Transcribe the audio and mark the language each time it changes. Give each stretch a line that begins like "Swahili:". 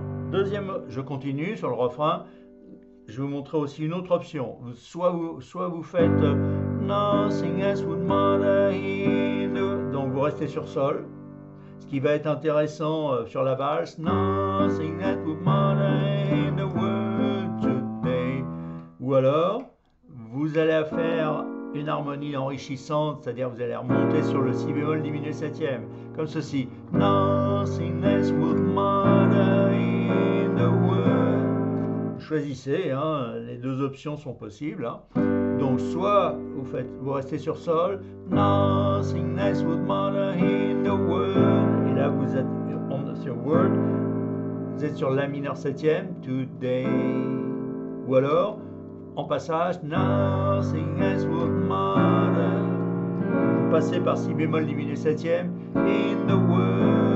French: deuxième, je continue sur le refrain. Je vais vous montrer aussi une autre option. Soit vous faites
English: Nothing else would matter here.
French: Donc vous restez sur sol. Ce qui va être intéressant sur la valse.
English: Nothing else would matter in the world today.
French: Ou alors, vous allez faire une harmonie enrichissante, c'est-à-dire vous allez remonter sur le si bémol diminué septième, comme ceci.
English: Nothing else would matter in the world.
French: Choisissez, hein, les deux options sont possibles. Hein. Donc soit vous restez sur sol.
English: Nothing else would matter in the world.
French: Et là, vous êtes sur world. Vous êtes sur la mineur septième, today. Ou alors, en passage,
English: nothing else would matter.
French: Vous passez par si bémol diminué septième,
English: in the world.